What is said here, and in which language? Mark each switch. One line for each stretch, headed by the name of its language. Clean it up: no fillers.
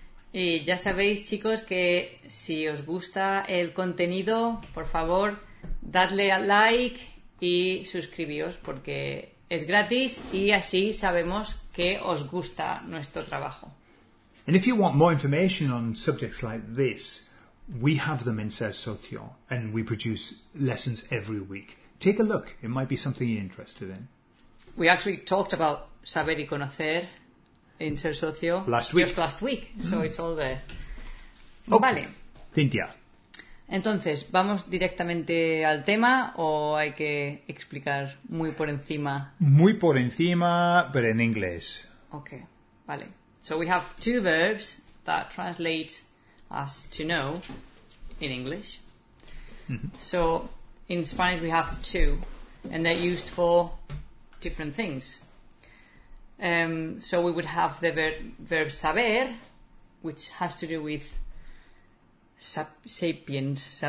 Spanish: Y ya sabéis, chicos, que si os gusta el contenido, por favor, dadle al like y suscribíos porque es gratis y así sabemos que os gusta nuestro trabajo.
English: And if you want more information on subjects like this, we have them in Ser Socio and we produce lessons every week. Take a look. It might be something you're interested in. We actually talked about saber y conocer in Ser Socio last week. Just last week. So it's all there. Okay.
Spanish: Vale.
English: Cynthia.
Spanish: Entonces, ¿vamos directamente al tema o hay que explicar muy por encima? Muy por encima,
English: but in English. Okay, vale. So we have two verbs that translate as to know in English. Mm-hmm. So in Spanish we have two, and they're used for different things. So we would have the verb saber, which has to do with sapient